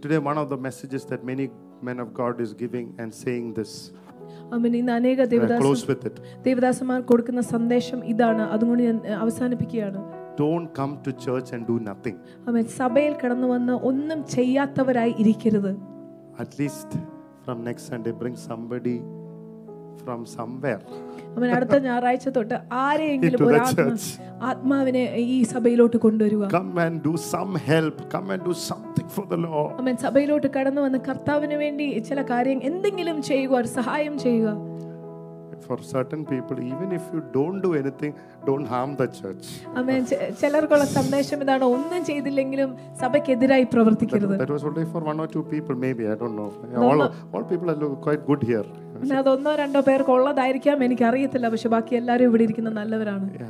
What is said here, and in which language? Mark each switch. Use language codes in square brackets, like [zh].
[en] Today one of the messages that many men of God is giving and saying this. Amen. [ml] ഇന്ന് അനേക ദേവദാസന്മാർ കൊടുക്കുന്ന സന്ദേശം ഇതാണ്. അതുകൊണ്ട് ഞാൻ അവസാനിപ്പിക്കുകയാണ്. [en] Don't come to church and do nothing. Amen. [ml] സഭയിൽ കടന്നു വന്ന് ഒന്നും ചെയ്യാത്തവരായി ഇരിക്കരുത്. [en] At least from next Sunday bring somebody from somewhere. [ml] അമ്മ അടുത്ത ഞായറാഴ്ച തൊട്ട് ആരെയെങ്കിലും ഒരു ആത്മാവിനെ ഈ സഭയിലോട്ട് കൊണ്ടുവരിക. [en] Come and do some help. Come and do something for the Lord. [ml] അമ്മ സഭയിലോട്ട് കടന്നു വന്ന് കർത്താവിന് വേണ്ടി ചില കാര്യം എന്തെങ്കിലും ചെയ്യുക, ഒരു സഹായം ചെയ്യുക. [en] For certain people, even if you don't do anything, don't harm the church. Amen. [ml] ചിലർക്കുള്ള സന്ദേശം ഇതാണ്, ഒന്നും ചെയ്തില്ലെങ്കിലും സഭയ്ക്കെതിരായി പ്രവർത്തിക്കരുത്. [en] That was only for one or two people, maybe, I don't know. All people are quite good here. [ml] ഒന്നോ രണ്ടോ പേർക്ക് ഉള്ളതായിരിക്കാം, എനിക്കറിയത്തില്ല. പക്ഷെ ബാക്കി എല്ലാരും ഇവിടെ ഇരിക്കുന്ന നല്ലവരാണ്.